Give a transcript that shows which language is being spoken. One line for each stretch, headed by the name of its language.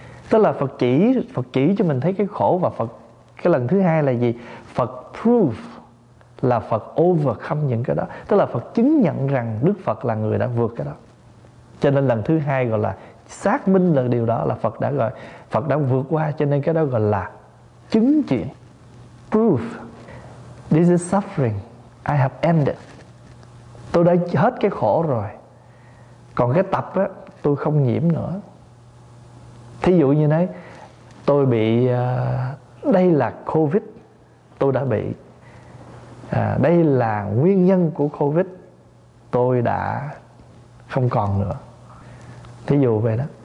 Vietnamese: Tức là Phật chỉ cho mình thấy cái khổ. Và Phật, cái lần thứ hai là gì? Phật prove, là Phật overcome những cái đó. Tức là Phật chứng nhận rằng Đức Phật là người đã vượt cái đó. Cho nên lần thứ hai gọi là xác minh là điều đó, là Phật đã gọi, Phật đã vượt qua. Cho nên cái đó gọi là chứng chuyển.
English: Prove, this is suffering, I have ended.
Vietnamese: Tôi đã hết cái khổ rồi. Còn cái tập á, tôi không nhiễm nữa. Thí dụ như thế, tôi bị đây là COVID, tôi đã bị. À, đây là nguyên nhân của COVID, tôi đã không còn nữa. Thí dụ vậy đó.